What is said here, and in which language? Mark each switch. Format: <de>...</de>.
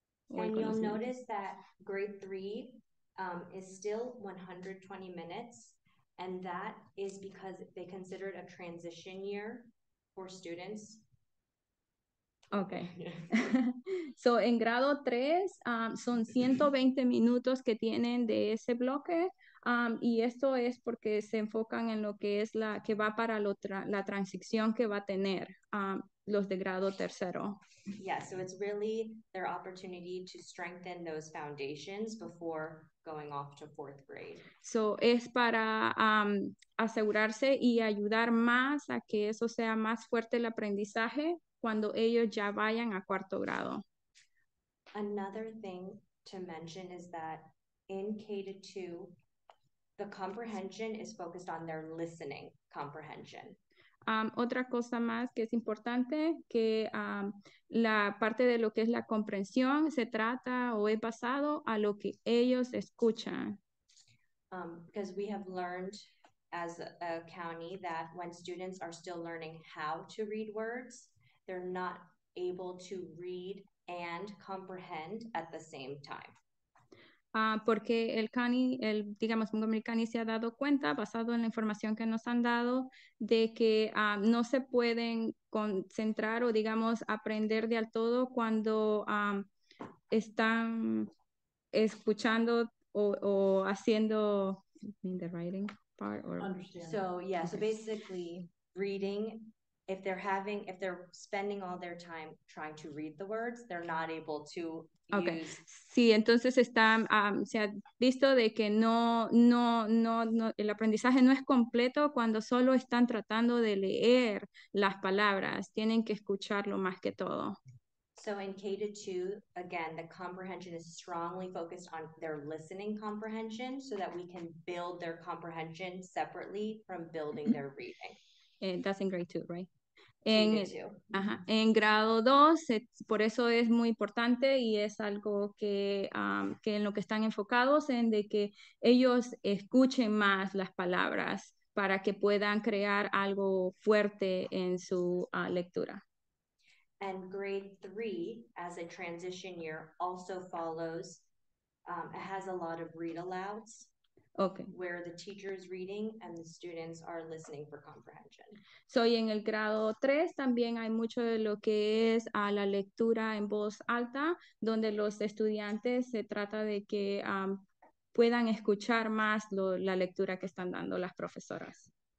<en>And you'll notice that grade 3 is still 120 minutes, and that is because they consider it a transition year for students. Okay.</en> <es>So, en grado 3 son 120 minutos que tienen de ese bloque. Y esto es porque se enfocan en lo que es la que va para lo la transición que va a tener los de grado tercero.</es> <en>Yeah, so it's really their opportunity to strengthen those foundations before going off to fourth grade.</en> <es>So es para asegurarse y ayudar más a que eso sea más fuerte el aprendizaje cuando ellos ya vayan a cuarto grado.</es> <en>Another thing to mention is that in K-2, the comprehension is focused on their listening comprehension.</en> <es>Otra cosa más que es importante, que la parte de lo que es la comprensión se trata o es basado a lo que ellos escuchan.</es> <en>Because we have learned as a county that when students are still learning how to read words, they're not able to read and comprehend at the same time.</en> <es>Porque el CUNY, digamos, Montgomery CUNY se ha dado cuenta, basado en la información que nos han dado, de que no se pueden concentrar o, digamos, aprender de al todo cuando están escuchando o haciendo,</es> <en>I mean, the writing part? Or... So, yeah, okay. So basically, reading, if they're spending all their time trying to read the words, they're not able to okay.</en> <es>Sí, entonces está, se ha visto de que no, el aprendizaje no es completo cuando solo están tratando de leer las palabras. Tienen que escucharlo más que todo.</es> <en>So in K to two, again, the comprehension is strongly focused on their listening comprehension so that we can build their comprehension separately from building their reading. And that's in grade two, right?</en> <es>En, ajá, en grado 2, por eso es muy importante y es algo que, que en lo que están enfocados en de que ellos escuchen más las palabras para que puedan crear algo fuerte en su lectura.</es> <en>And grade 3, as a transition year, also follows, it has a lot of read alouds. Okay. Where the teacher is reading and the students are listening for comprehension.</en> <es>So, y en el grado 3 también hay mucho de lo que es a la lectura en voz alta, donde los estudiantes se trata de que puedan escuchar más lo, la lectura que están dando las profesoras.</es>